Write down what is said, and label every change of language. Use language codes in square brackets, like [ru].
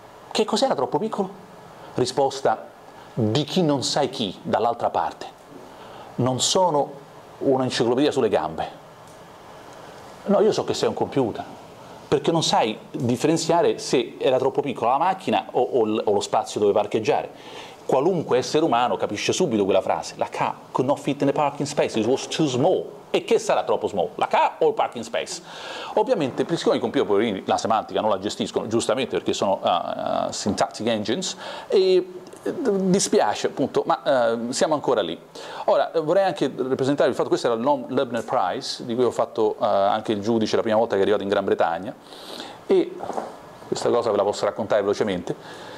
[it] Che cos'era troppo piccolo? Risposta di chi non sai chi dall'altra parte. Non sono un'enciclopedia sulle gambe. No, io so che sei un computer. Perché non sai differenziare se era troppo piccola la macchina o lo spazio dove parcheggiare. Qualunque essere umano capisce subito quella frase. [en] La car could not fit in the parking space, it was too small. [it] E che sarà troppo small? La car o il parking space? Ovviamente, siccome i computer poverini la semantica non la gestiscono, giustamente perché sono syntactic engines, e dispiace appunto, ma siamo ancora lì. Ora, vorrei anche rappresentare il fatto che questo era il Noam Leibniz Prize, di cui ho fatto anche il giudice la prima volta che è arrivato in Gran Bretagna, e questa cosa ve la posso raccontare velocemente.